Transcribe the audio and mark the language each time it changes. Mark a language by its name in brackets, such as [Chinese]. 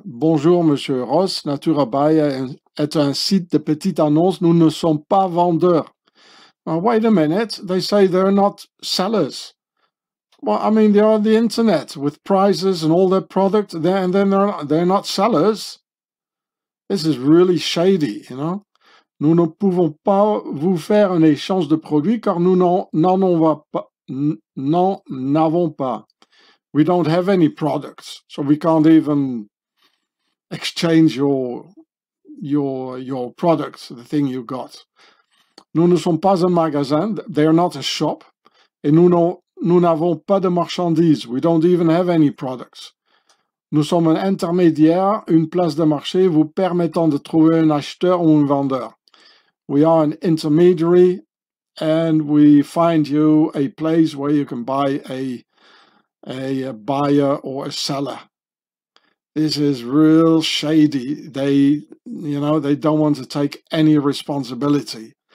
[French] Bonjour, Monsieur Ross. Natura buy est un site de petite annonce. Nous ne sommes pas vendeurs. [English] Now, wait a minute. They say they're not sellers. Well, I mean, they're on the internet with prices and all their product, and then they're not sellers. This is really shady, you know. [French] Nous ne pouvons pas vous faire un échange de produits car nous n'en avons pas, non, n'avons pas. [English] We don't have any products, so we can't even exchange your products, the thing you got. [French] Nous ne sommes pas un magasin, [English] they're not a shop, [French] et nous n'avons pas de marchandises, [English] we don't even have any products. [French] Nous sommes un intermédiaire, une place de marché vous permettant de trouver un acheteur ou un vendeur. [English] We are an intermediary and we find you a place where you can buy a buyer or a seller. This is real shady. They don't want to take any responsibility.